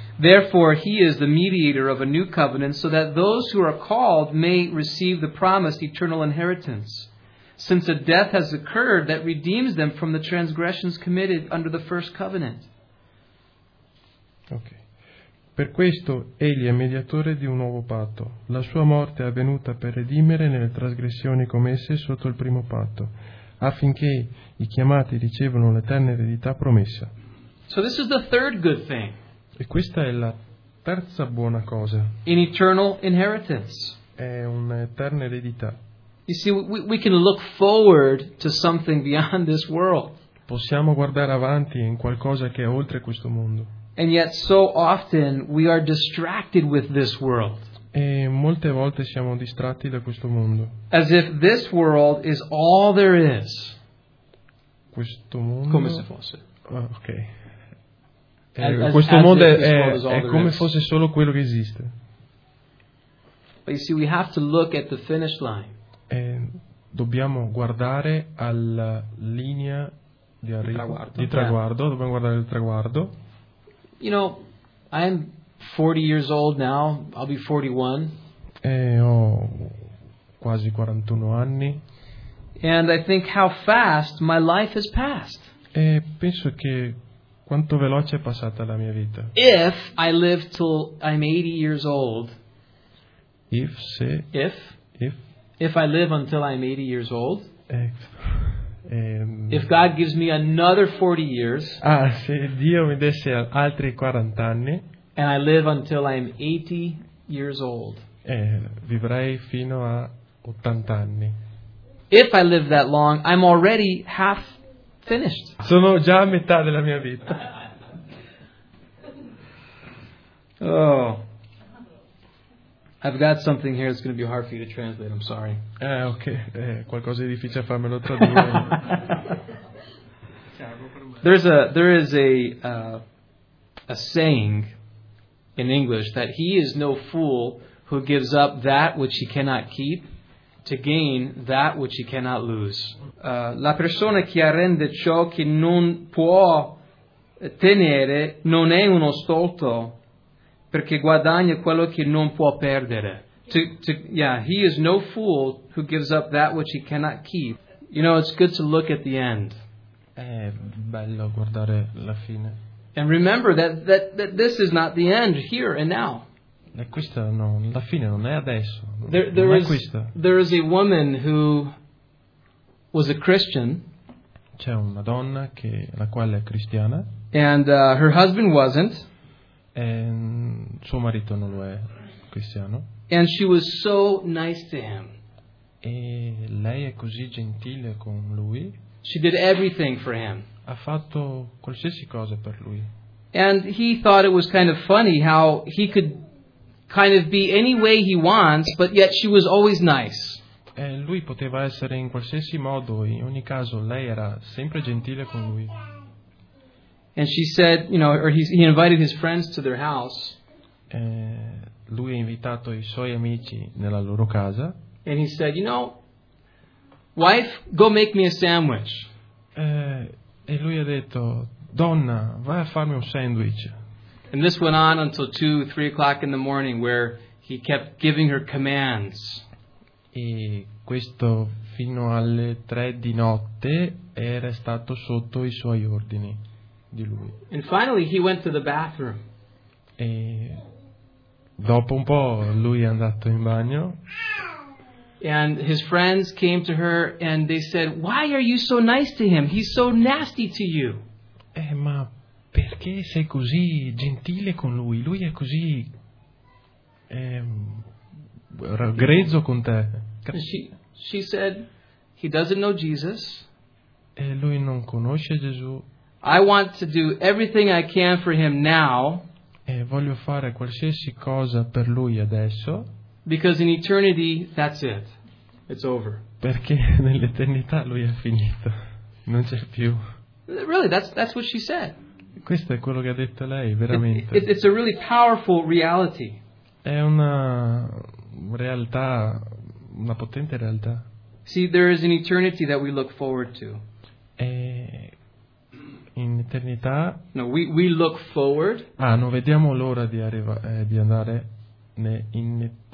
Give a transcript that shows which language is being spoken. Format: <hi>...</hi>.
<en>Therefore he is the mediator of a new covenant, so that those who are called may receive the promised eternal inheritance. Since a death has occurred that redeems them from the transgressions committed under the first covenant. Okay.</en> <it>Per questo egli è mediatore di un nuovo patto. La sua morte è avvenuta per redimere nelle trasgressioni commesse sotto il primo patto, affinché i chiamati ricevano l'eterna eredità promessa.</it> <en>So this is the third good thing.</en> <it>E questa è la terza buona cosa.</it> <en>An eternal inheritance.</en> <it>È un'eterna eredità.</it> <en>You see, we can look forward to something beyond this world.</en> <it>Possiamo guardare avanti in qualcosa che è oltre questo mondo.</it> <en>And yet so often we are distracted with this world.</en> <it>E molte volte siamo distratti da questo mondo.</it> <en>As if this world is all there is.</en> <it>Questo mondo. Come se fosse. Ah, ok. Questo mondo è come se fosse solo quello che esiste.</it> <en>But you see, we have to look at the finish line.</en> <it>E dobbiamo guardare alla linea di arrivo, traguardo. Dobbiamo guardare il traguardo.</it> <en>You know, I'm 40 years old now. I'll be 41.</en> <it>E ho quasi 41 anni.</it> <en>And I think how fast my life has passed.</en> <it>E penso che quanto veloce è passata la mia vita.</it> <en>If I live till I'm 80 years old. If se. If I live until I'm 80 years old. Ex. If God gives me another 40 years.</en> <it>Ah, se Dio mi desse altri 40 anni.</it> <en>And I live until I'm 80 years old.</en> <it>Vivrei fino a 80 anni.</it> <en>If I live that long, I'm already half finished.</en> <it>Sono già a metà della mia vita.</it> <en>Oh. I've got something here that's going to be hard for you to translate. I'm sorry. Okay.</en> <it>Qualcosa è difficile farmelo tradurre.</it> <en>There is a saying in English that he is no fool who gives up that which he cannot keep to gain that which he cannot lose.</en> <it>La persona che arrende ciò che non può tenere non è uno stolto, perché guadagna quello che non può perdere.</it> <en>He is no fool who gives up that which he cannot keep. You know, it's good to look at the end.</en> <it>È bello guardare la fine.</it> <en>And remember that this is not the end here and now.</en> <it>E questa non, la fine non è adesso.</it> <en>There is a woman who was a Christian.</en> <it>C'è una donna che la quale è cristiana.</it> <en>And her husband wasn't.</en> <it>E suo marito non lo è cristiano.</it> <en>And she was so nice to him.</en> <it>E lei è così gentile con lui.</it> <en>She did everything for him.</en> <it>Ha fatto qualsiasi cosa per lui.</it> <en>And he thought it was kind of funny how he could kind of be any way he wants, but yet she was always nice.</en> <it>E lui poteva essere in qualsiasi modo, in ogni caso lei era sempre gentile con lui.</it> <en>And she said, you know, or he invited his friends to their house.</en> <it>Lui ha invitato i suoi amici nella loro casa.</it> <en>And he said, you know, wife, go make me a sandwich.</en> <it>E lui ha detto, donna, vai a farmi un sandwich.</it> <en>And this went on until 2-3 o'clock in the morning, where he kept giving her commands.</en> <it>E questo fino alle 3 di notte era stato sotto i suoi ordini. Di lui.</it> <en>And finally he went to the bathroom.</en> <it>E dopo un po' lui è andato in bagno.</it> <en>And his friends came to her and they said, "Why are you so nice to him? He's so nasty to you."</en> <it>Ma perché sei così gentile con lui? Lui è così grezzo con te.</it> <en>She said, "He doesn't know Jesus."</en> <it>E lui non conosce Gesù.</it> <en>I want to do everything I can for him now.</en> <it>E voglio fare qualsiasi cosa per lui adesso.</it> <en>Because in eternity, that's it. It's over.</en> <it>Perché nell'eternità lui è finito. Non c'è più.</it> <en>Really, that's what she said.</en> <it>Questo è quello che ha detto lei, veramente.</it> <en>It's a really powerful reality.</en> <it>È una realtà, una potente realtà.</it> <en>See, there is an eternity that we look forward to.</en> <it>In eternità.</it> <en>No, we look forward.</en> <it>Ah, non vediamo l'ora di arrivare di andare in</it>